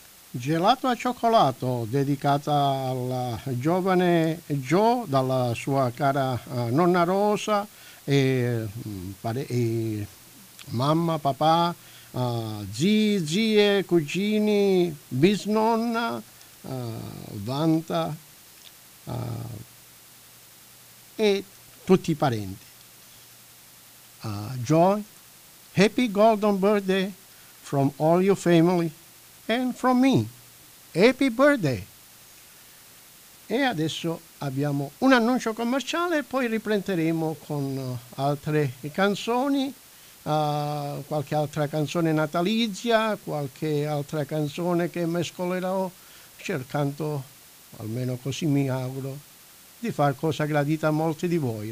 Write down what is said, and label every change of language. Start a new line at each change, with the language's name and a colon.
Italian: Gelato a cioccolato, dedicata al giovane Joe dalla sua cara nonna Rosa e, e mamma, papà, zii, zie, cugini, bisnonna, vanta e tutti i parenti.
English: Joe, happy golden birthday from all your family and from me. Happy birthday!
Italian: E adesso abbiamo un annuncio commerciale, poi riprenderemo con altre canzoni, qualche altra canzone natalizia, qualche altra canzone che mescolerò, cercando, almeno così mi auguro, di far cosa gradita a molti di voi.